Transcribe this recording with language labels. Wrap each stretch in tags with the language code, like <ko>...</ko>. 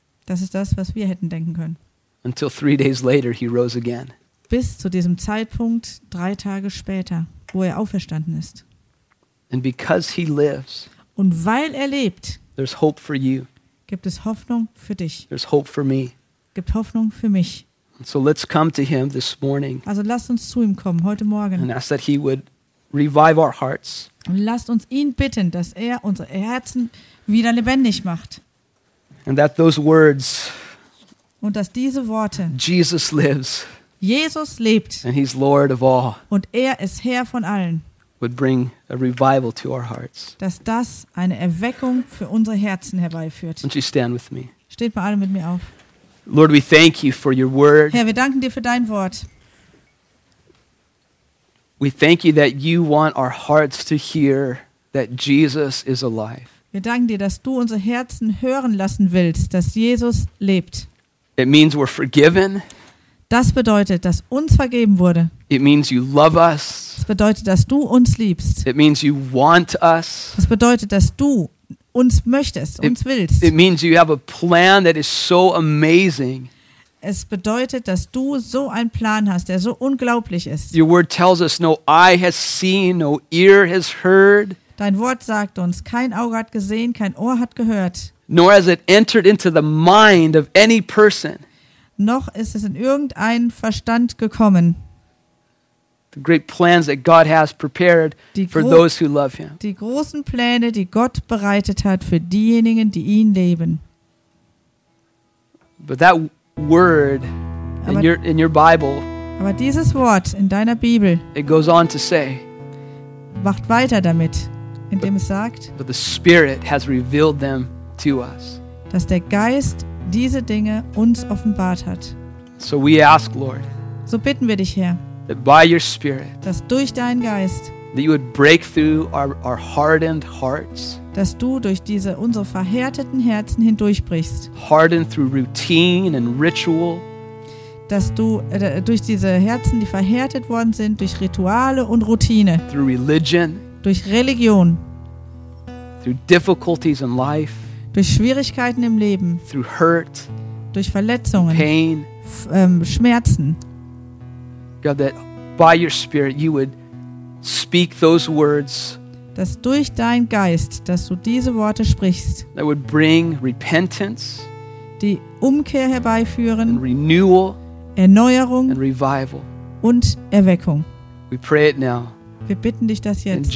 <de>Das ist das, was wir hätten denken können.</de> <en>Until 3 days later, he rose again.</en> <de>Bis zu diesem Zeitpunkt, 3 Tage später, wo er auferstanden ist.</de> <en>And because he lives,</en> <de>und weil er lebt,</de> <en>there's hope for you.</en> <de>Gibt es Hoffnung für dich.</de> <en>There's hope for me.</en> <de>Gibt Hoffnung für mich.</de> <en>And so let's come to him this morning.</en> <de>Also lasst uns zu ihm kommen, heute Morgen.</de> <en>And ask that he would revive our hearts.</en> <de>Und lasst uns ihn bitten, dass er unsere Herzen wieder lebendig macht.</de> <en>And that those words,</en> <de>und dass diese Worte,</de> <en>Jesus lives,</en> <de>Jesus lebt,</de> <en>and he's Lord of all,</en> <de>und er ist Herr von allen,</de> <en>would bring a revival to our hearts.</en> <de>Dass das eine Erweckung für unsere Herzen herbeiführt.</de> <en>Won't you stand with me?</en> <de>Steht mal alle mit mir auf.</de> <en>Lord, we thank you for your word.</en> <de>Herr, wir danken dir für dein Wort.</de> <en>We thank you that you want our hearts to hear that Jesus is alive.</en> <de>Wir danken dir, dass du unsere Herzen hören lassen willst, dass Jesus lebt.</de> <en>It means we're forgiven.</en> <de>Das bedeutet, dass uns vergeben wurde.</de> <en>It means you love us.</en> <de>Das bedeutet, dass du uns liebst.</de> <en>It means you want us.</en> <de>Das bedeutet, dass du uns möchtest, uns willst.</de> <en>It means you have a plan that is so amazing.</en> <de>Es bedeutet, dass du so einen Plan hast, der so unglaublich ist.</de> <en>Your word tells us no eye has seen, no ear has heard.</en> <de>Dein Wort sagt uns, kein Auge hat gesehen, kein Ohr hat gehört.</de> <en>Nor has it entered into the mind of any person.</en> <de>Noch ist es in irgendeinen Verstand gekommen.</de> <en>The great plans that God has prepared for those who love him.</en> <de>Die großen Pläne, die Gott bereitet hat für diejenigen, die ihn lieben.</de> <en>But that word in your Bible.</en> <de>Aber dieses Wort in deiner Bibel.</de> <en>It goes on to say.</en> <de>Macht weiter damit, indem es sagt.</de> <en>But the Spirit has revealed them to us.</en> <de>Dass der Geist diese Dinge uns offenbart hat.</de> <en>So we ask, Lord.</en> <de>So bitten wir dich, Herr.</de> <en>That by your Spirit.</en> <de>Dass durch deinen Geist.</de> <en>That you would break through our hardened hearts.</en> <de>Dass du durch diese unsere verhärteten Herzen hindurchbrichst.</de> <en>Hardened through routine and ritual.</en> <de>Dass du durch diese Herzen, die verhärtet worden sind, durch Rituale und Routine.</de> <en>Through religion.</en> <de>Durch Religion.</de> <en>Through difficulties in life.</en> <de>Durch Schwierigkeiten im Leben.</de> <en>Through hurt.</en> <de>Durch Verletzungen.</de> <en>Pain.</en> <de>Schmerzen.</de> <en>God, that by your Spirit you would speak those words.</en> <de>Dass durch deinen Geist, dass du diese Worte sprichst.</de> <en>That would bring repentance.</en> <de>Die Umkehr herbeiführen.</de> <en>And renewal.</en> <de>Erneuerung.</de> <en>And revival.</en> <de>Und Erweckung.</de> <en>We pray it now.</en> <de>Wir bitten dich das jetzt.</de>